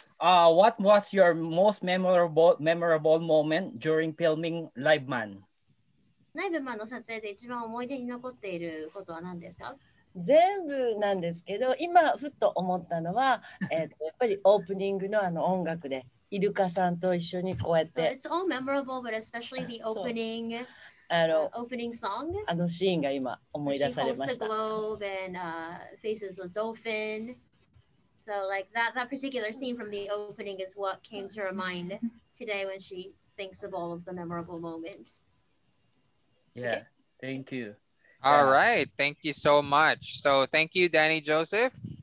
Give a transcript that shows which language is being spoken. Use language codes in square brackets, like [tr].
[en] What was your most memorable moment during filming Liveman? [ja] Liveman の撮影で一番思い出に残っていることは何ですか？全部なんですけど、今ふっと思ったのは、やっぱりオープニングのあの音楽でイルカさんと一緒にこうやって。 [en] It's all memorable, but especially the opening, opening song. [ja] あのシーンが今思い出されました。 [en] She holds the globe and faces the dolphin. So like that particular scene from the opening is what came to her mind today when she thinks of all of the memorable moments. Yeah, thank you. All right, thank you so much. So thank you, Danny Joseph.